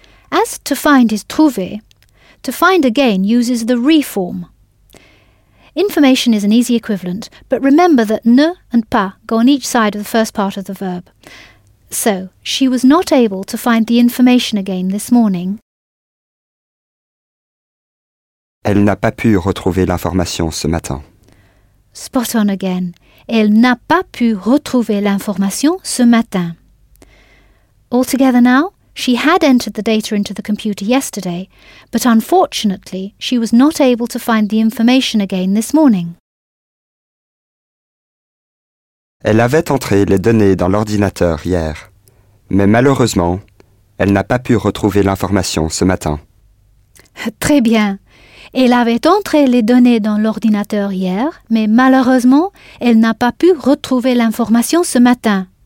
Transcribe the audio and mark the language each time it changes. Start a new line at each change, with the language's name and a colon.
English: As to find is trouver, to find again uses the re form. Information is an easy equivalent, but remember that ne and pas go on each side of the first part of the verb. So, she was not able to find the information again this morning.
French: Elle n'a pas pu retrouver l'information ce matin.
English: Spot on again.
French: elle n'a pas pu retrouver l'information ce matin.
English: Altogether now, she had entered the data into the computer yesterday, but unfortunately, she was not able to find the information again this morning.
French: Elle avait entré les données dans l'ordinateur hier, mais malheureusement, elle n'a pas pu retrouver l'information ce matin. Très bien. Elle avait entré les données dans l'ordinateur hier, mais malheureusement, elle n'a pas pu retrouver l'information ce matin.